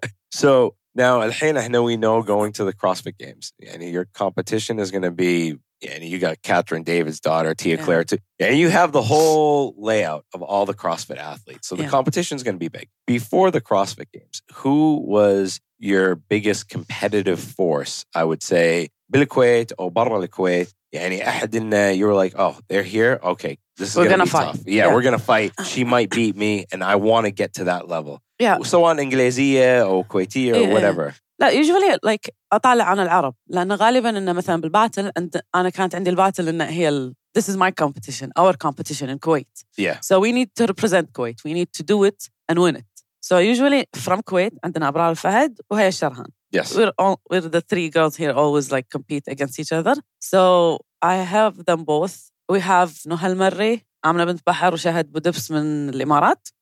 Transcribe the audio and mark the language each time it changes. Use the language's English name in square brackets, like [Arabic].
[English] So now, [Arabic] الحين احنا [English] we know going to the CrossFit Games. And your competition is going to be… Yeah, and you got Catherine David's daughter, Tia Claire too. And you have the whole layout of all the CrossFit athletes. So the competition's going to be big. Before the CrossFit Games, who was your biggest competitive force? I would say, [Arabic] بالكويت أو برا الكويت. يعني أحدنا, [English] you were like, oh, they're here? Okay, this is going to be fight. Tough. Yeah, we're going to fight. She might beat me and I want to get to that level. Yeah. So on [Arabic] إنجليزية أو كويتية [English] or whatever. [Arabic] لا, [English] usually like [Arabic] أطالع عن العرب لأنه غالبا إنه مثلا بالباتل and أنا كانت عندي الباتل إنه هي ال, [English] this is my competition, our competition in Kuwait. Yeah. So we need to represent Kuwait. We need to do it and win it. So usually from Kuwait [Arabic] عندنا أبرار الفهد وهي الشرهان. [English] Yes. We're the three girls here always like compete against each other. So I have them both. We have نهى المري, عمنا بنت بحر وشهد بودبس [Arabic] من الإمارات.